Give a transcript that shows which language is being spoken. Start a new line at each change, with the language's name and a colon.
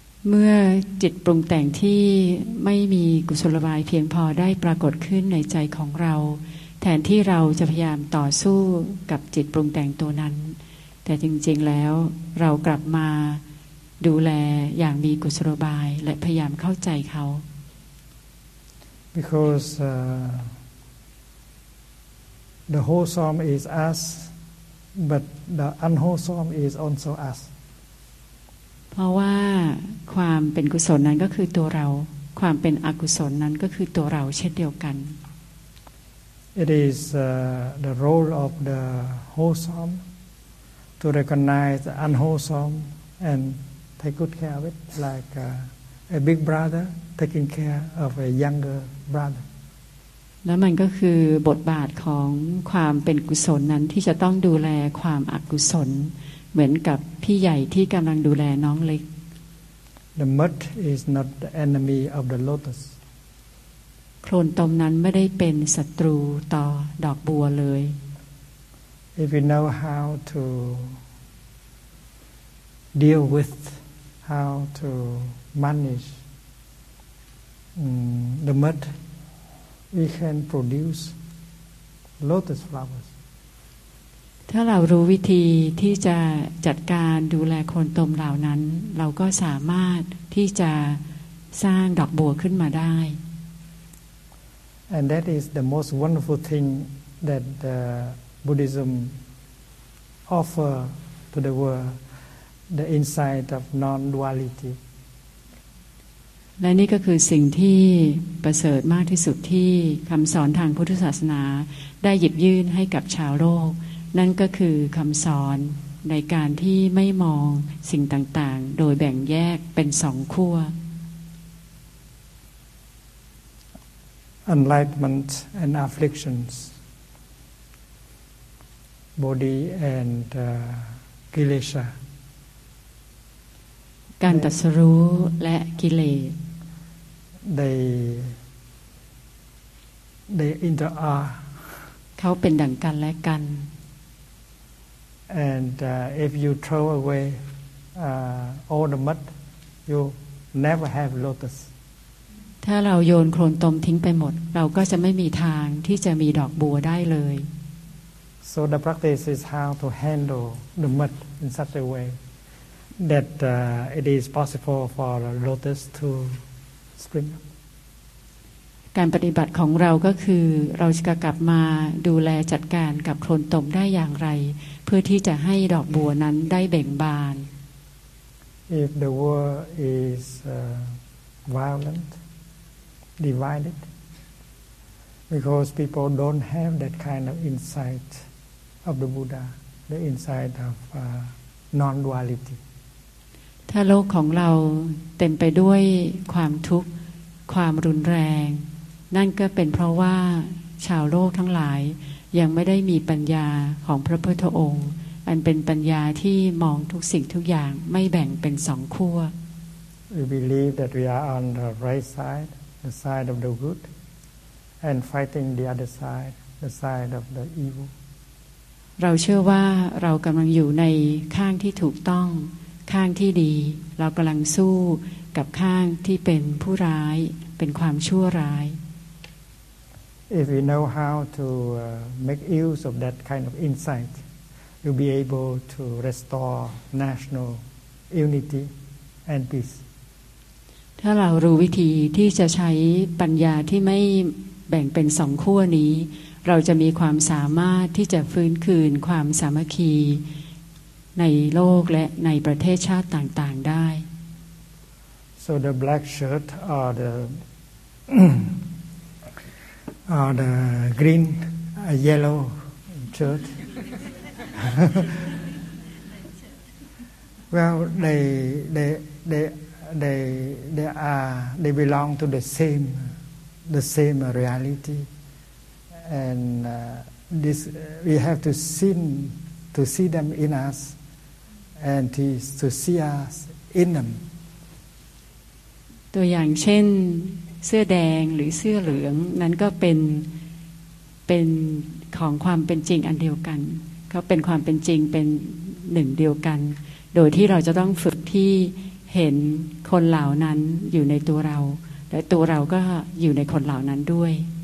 Thai: เมื่อจิตปรุงแต่งที่ไม่มีกุศลบายเพียงพอได้ปรากฏขึ้นในใจของเราแทนที่เราจะพยายามต่อสู้กับจิตปรุงแต่งตัวนั้นแต่จริงๆแล้วเรากลับมาดูแลอย่างมีกุศลบายและพยายามเข้าใจเขา
English: because the wholesome is us but the unwholesome is also us
Thai: พราะว่าความเป็นกุศลนั้นก็คือตัวเราความเป็นอกุศลนั้นก็คือตัวเราเช่นเดียวกัน
English: It is the role of the wholesome to recognize the unwholesome and take good care of it like a big brother taking care of a younger brother
Thai: แล้วมันก็คือบทบาทของความเป็นกุศลนั้นที่จะต้องดูแลความอกุศลเหมือนกับพี่ใหญ่ที่กำลังดูแลน้องเล็ก
English: The mud is not the enemy of the lotus
Thai: โคลนตมนั้นไม่ได้เป็นศัตรูต่อดอกบัวเลย
English: If you know how to deal with how to manage the mudWe can produce lotus flowers.
Thai: ถ้าเรารู้วิธีที่จะจัดการดูแลโคลนตมเหล่านั้นเราก็สามารถที่จะสร้างดอกบัวขึ้นมาได้
English: And that is the most wonderful thing that the Buddhism offer to the world, the insight of non-duality.
Thai: และนี่ก็คือสิ่งที่ประเสริฐมากที่สุดที่คำสอนทางพุทธศาสนาได้หยิบยื่นให้กับชาวโลกนั่นก็คือคำสอนในการที่ไม่มองสิ่งต่างๆโดยแบ่งแยกเป็นสองขั้ว
English: Enlightenment and afflictions body and kilesa
Thai: การตรัสรู้และกิเลส
English: They inter are
Thai: เขาเป็นดั่งกันและกัน
English: And if you throw away all the mud you never have lotus
Thai: ถ้าเราโยนโคลนตมทิ้งไปหมดเราก็จะไม่มีทางที่จะมีดอกบัวได้เลย
English: So the practice is how to handle the mud in such a way that it is possible for the lotus to spring
Thai: การปฏิบัติของเราก็คือเราจะกลับมาดูแลจัดการกับโคลนตมได้อย่างไรเพื่อที่จะให้ดอกบัวนั้นได้แบ่งบาน
English: If the world is violent divided because people don't have that kind of insight of the Buddha the insight of non-duality
Thai: ถ้าโลกของเราเต็มไปด้วยความทุกข์ความรุนแรงนั่นก็เป็นเพราะว่าชาวโลกทั้งหลายยังไม่ได้มีปัญญาของพระพุทธองค์อันเป็นปัญญาที่มองทุกสิ่งทุกอย่างไม่แบ่งเป็นสองขั้ว
English: We believe that we are on the right side the side of the good and fighting the other side the side of the evil
Thai: เราเชื่อว่าเรากำลังอยู่ในข้างที่ถูกต้องข้างที่ดีเรากำลังสู้กับข้างที่เป็นผู้ร้ายเป็นความชั่วร้าย
English: If you know how to make use of that kind of insight you'll be able to restore national unity and peace
Thai: ถ้าเรารู้วิธีที่จะใช้ปัญญาที่ไม่แบ่งเป็นสองขั้วนี้เราจะมีความสามารถที่จะฟื้นคืนความสามัคคีในโลกและในประเทศชาติต่างๆได้
English: So the black shirt or the or the green yellow shirt Well they belong to the same reality and this we have to see them in usand to see us in them
Thai: ตัวอย่างเช่นเสื้อแดงหรือเสื้อเหลืองนั้นก็เป็นของความเป็นจริงอันเดียวกันเขาเป็นความเป็นจริงเป็นหนึ่งเดียวกันโดยที่เราจะต้องฝึกที่เห็นคนเหล่านั้นอยู่ในตัวเราและตัวเราก็อยู่ในคนเหล่านั้นด้วย